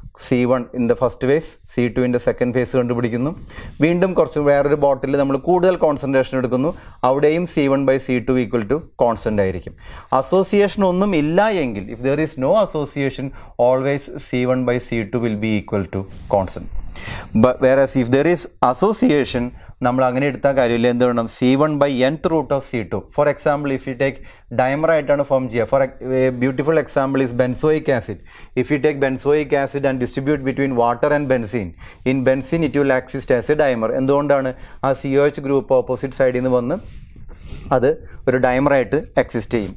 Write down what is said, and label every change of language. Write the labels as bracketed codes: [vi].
[en] C one in the first phase, C two in the second phase കണ്ടുപിടിക്കുന്നു. [ml] വീണ്ടും കുറച്ച് വേറൊരു ബോട്ടിൽ നമ്മൾ കൂടുതൽ കോൺസെൻട്രേഷൻ എടുക്കുന്നു, അവിടെയും C one by C two equal to constant ആയിരിക്കും. അസോസിയേഷൻ ഒന്നും ഇല്ല എങ്കിൽ, [en] If there is no association, always C one by C two will be equal to constant. Whereas if there is association, [ml] നമ്മൾ അങ്ങനെ എടുത്താൽ കാര്യമില്ല. എന്ത് വേണം? C one by N root of C to. [en] for example, if you take dimer [ml] ആയിട്ടാണ് form ചെയ്യുക. [en] For beautiful example is benzoic acid. If you take benzoic acid and distribute between water and benzene, in benzene it will exist as a dimer. [ml] എന്തുകൊണ്ടാണ്? ആ C O H group opposite സൈഡിൽ നിന്ന് വന്ന് അത് ഒരു ഡൈമറായിട്ട് exist ചെയ്യും.